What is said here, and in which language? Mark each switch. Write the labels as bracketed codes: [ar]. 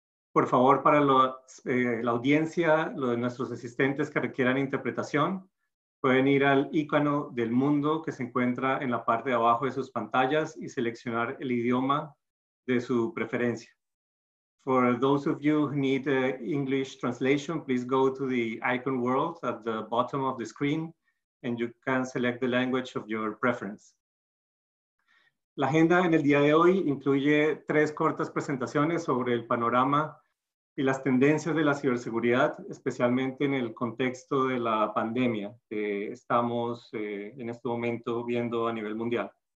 [es] Por favor, para la audiencia, los de nuestros asistentes que requieran interpretación, pueden ir al icono del mundo que se encuentra en la parte de abajo de sus pantallas y seleccionar el idioma de su preferencia. [en] For those of you who need English translation, please go to the icon world at the bottom of the screen and you can select the language of your preference. [es] La agenda en el día de hoy incluye tres cortas presentaciones sobre el panorama y las tendencias de la ciberseguridad, especialmente en el contexto de la pandemia que estamos en este momento viendo a nivel mundial.